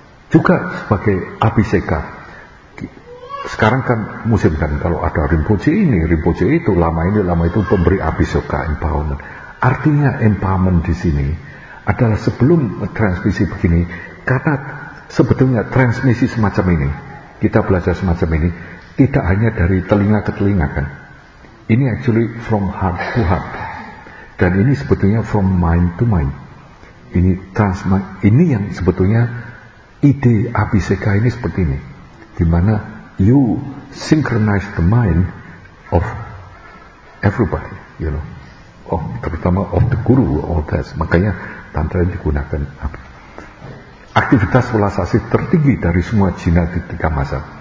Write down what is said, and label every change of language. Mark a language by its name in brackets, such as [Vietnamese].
[Indonesian] Juga sebagai abiseka. Sekarang kan musim kan, kalau ada Rinpoche ini, Rinpoche itu, lama ini, lama itu, pemberi abiseka, empowerment. Artinya empowerment di sini adalah sebelum transmisi begini, karena sebetulnya transmisi semacam ini, kita belajar semacam ini, tidak hanya dari telinga ke telinga kan. [English] Ini actually from heart to heart. [Indonesian] Dan ini sebetulnya [English] from mind to mind. [Indonesian] Ini transmisi, ini yang sebetulnya ide abiseka ini seperti ini. Di mana [English] you synchronize the mind of everybody, you know. Oh, terutama of the guru, all that. [Indonesian] Makanya tantra yang digunakan apa? Aktivitas velasasi tertinggi dari semua jina di tiga masa.